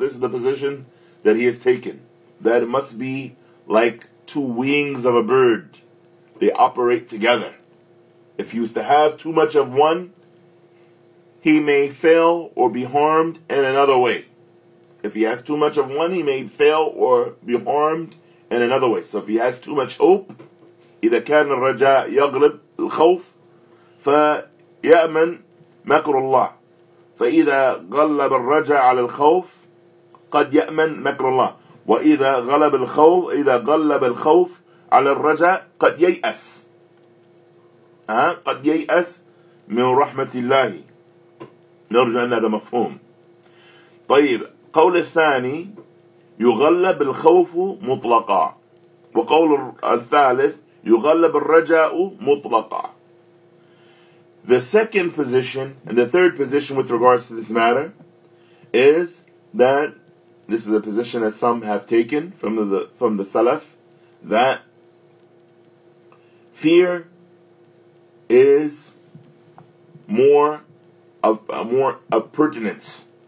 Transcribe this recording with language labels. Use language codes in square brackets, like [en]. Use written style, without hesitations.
[en] This is the position that he has taken, that it must be like two wings of a bird. They operate together. If he was to have too much of one, he may fail or be harmed in another way. If he has too much of one, he may fail or be harmed in another way. So if he has too much hope, [ar] إذا كان الرجاء يغلب الخوف فيأمن مكر الله فإذا غلب الرجاء على الخوف قد يأمن مكر الله وإذا غلب الخوف إذا غلب الخوف على الرجاء قد ييأس قد ييأس من رحمة الله. نرجو أن هذا مفهوم. طيب, قول الثاني يغلب الخوف مطلقا, وقول الثالث يغلب الرجاء مطلقا. [en] The second position and the third position with regards to this matter is that this is a position that some have taken from the Salaf, that fear is more of pertinence.